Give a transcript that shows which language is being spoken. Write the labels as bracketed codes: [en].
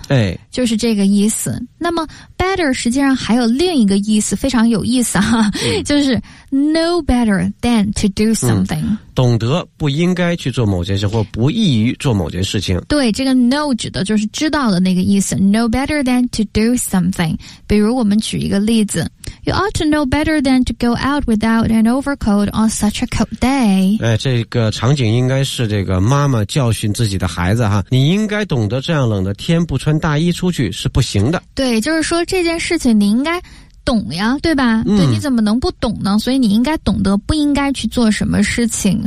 [zh] 哎，就是这个意思。那么 better 实际上还有另一个意思非常有意思啊、嗯、就是 [en] know better than to do something、 [zh] 嗯、懂得不应该去做某件事或不宜于做某件事情。对，这个 know 指的就是知道的那个意思， [en] know better than to do something。 [zh] 比如我们举一个例子， [en] you ought to know better than to go out without an overcoat on such a cold day。 [zh] 哎，这个场景应该是这个妈妈教训自己的孩子哈，你应该懂得这样冷的天不穿大衣出去是不行的。对，就是说这件事情你应该懂呀，对吧、嗯、对，你怎么能不懂呢，所以你应该懂得不应该去做什么事情。